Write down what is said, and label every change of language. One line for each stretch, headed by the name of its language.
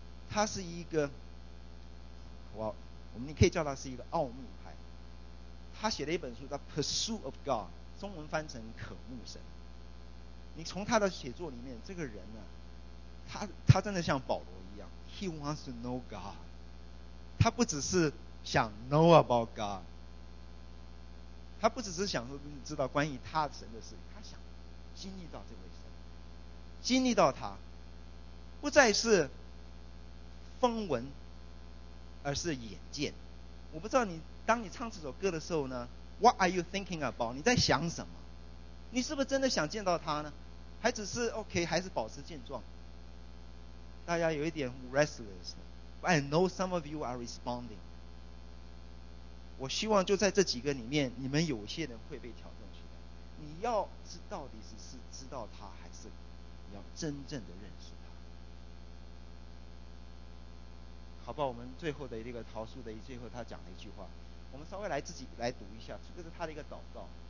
Chinese: 他是一个，我们你可以叫他是一个奥秘派。他写了一本书叫《Pursuit of God》，中文翻成《渴慕神》。你从他的写作里面，这个人呢、啊，他真的像保罗。
English: He wants to know God.
Chinese: 他不只是想
English: know about God.
Chinese: 他不只是想说知道关于他神的事，他想经历到这位神，经历到他，不再是风闻，而是眼见。我不知道你当你唱这首歌的时候呢 ，
English: What are you thinking about？
Chinese: 你在想什么？你是不是真的想见到他呢？还只是 OK， 还是保持现状？大家有一点 restless，
English: I know some of you are responding.
Chinese: 我希望就在这几个里面，你们有些人会被挑战出来。你要知道底是是知道他，还是你要真正的认识他？好吧，我们最后的这个陶书的最后他讲了一句话，我们稍微来自己来读一下，这个是他的一个祷告。